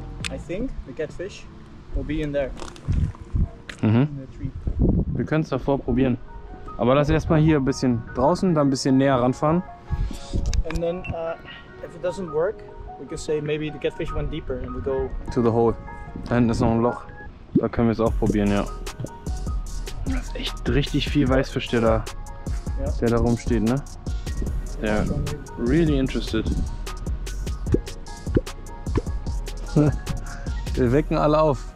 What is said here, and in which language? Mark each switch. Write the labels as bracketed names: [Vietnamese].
[English] I think the catfish will be in there. Mhm. In the tree. [German] Wir können es davor probieren. Aber lass erstmal hier ein bisschen draußen, dann ein bisschen näher ranfahren. [English] And then, if it doesn't work, we can say maybe the catfish went deeper and we go to the hole. [German] Da hinten ist noch ein Loch. Da können wir es auch probieren, ja. Das ist echt richtig viel Weißfisch, der da. Ja. Der da rumsteht, ne? Der [English] really interested. [German] Wir wecken alle auf.